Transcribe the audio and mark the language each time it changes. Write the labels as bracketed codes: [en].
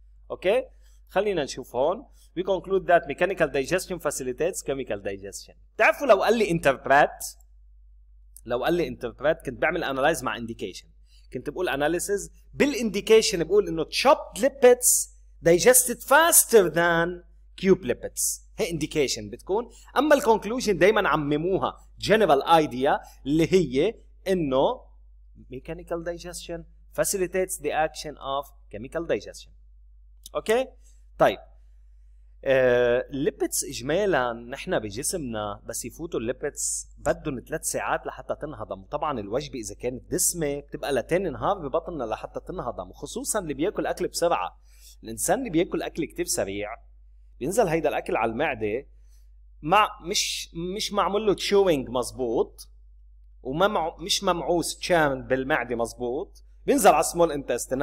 [ar] اوكي خلينا نشوف هون، [en] We conclude that mechanical digestion facilitates chemical digestion. [ar] بتعرفوا لو قال لي انتربريت، لو قال لي انتربريت كنت بعمل انالايز مع انديكيشن، كنت بقول analysis بالindication بقول انه [en] chopped lipids digested faster than cube lipids، [ar] هي indication بتكون. [en] اما الconclusion [ar] دايما عمموها [en] general idea [ar] اللي هي انه [en] mechanical digestion facilitates the action of chemical digestion. [ar] اوكي طيب lipids اجمالا نحن بجسمنا بس يفوتوا lipids بدهم 3 ساعات لحتى تنهضم، طبعا الوجبة اذا كانت دسمة بتبقى لتاني نهار ببطننا لحتى تنهضم، وخصوصا اللي بياكل اكل بسرعة. الانسان اللي بياكل اكل كتير سريع بينزل هيدا الاكل على المعدة مع مش معمول له chewing مظبوط، مش ممعوس chewing بالمعدة مظبوط، بينزل على small intestine.